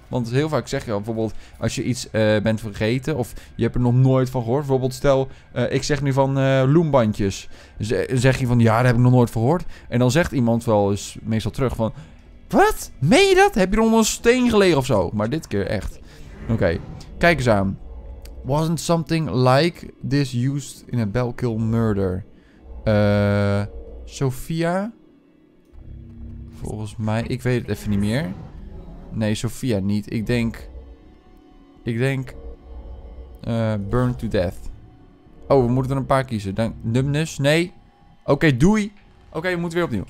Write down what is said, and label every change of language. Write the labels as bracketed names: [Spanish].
[Dutch] Want heel vaak zeg je bijvoorbeeld... Als je iets bent vergeten of je hebt er nog nooit van gehoord. Bijvoorbeeld stel, ik zeg nu van loombandjes. Zeg je van, ja, daar heb ik nog nooit van gehoord. En dan zegt iemand wel eens meestal terug van... Wat? Meen je dat? Heb je er onder een steen gelegen of zo? Maar dit keer echt. Oké, kijk eens aan. [English] Wasn't something like this used in a Bellkill murder? Sophia? [Dutch] Volgens mij, ik weet het even niet meer. Nee, Sophia niet. Ik denk... [English] Burn to death. [Dutch] Oh, we moeten er een paar kiezen. Dan, numbness? Nee. Oké, doei. Oké, we moeten weer opnieuw.